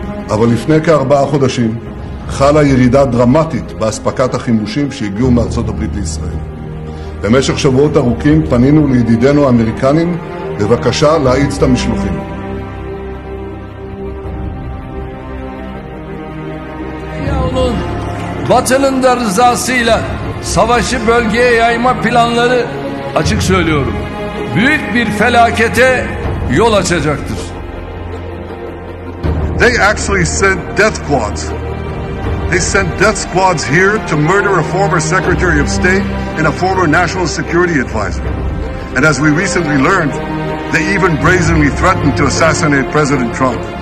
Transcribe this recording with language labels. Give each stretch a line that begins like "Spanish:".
Hebrew: אבל לפני כ-4 חודשים חלה ירידה דרמטית באספקת החימושים שהגיעו מארצות הברית לישראל. במשך שבועות ארוכים פנינו לידידינו האמריקנים בבקשה להאיץ את המשלוחים.
Turkish: Yavlun, Batı'nın da rızasıyla savaşı bölgeye yayma planları, açık söylüyorum, büyük bir felakete yol açacaktır.
English: They actually sent death squads. They sent death squads here to murder a former Secretary of State and a former National Security Advisor. And as we recently learned, they even brazenly threatened to assassinate President Trump.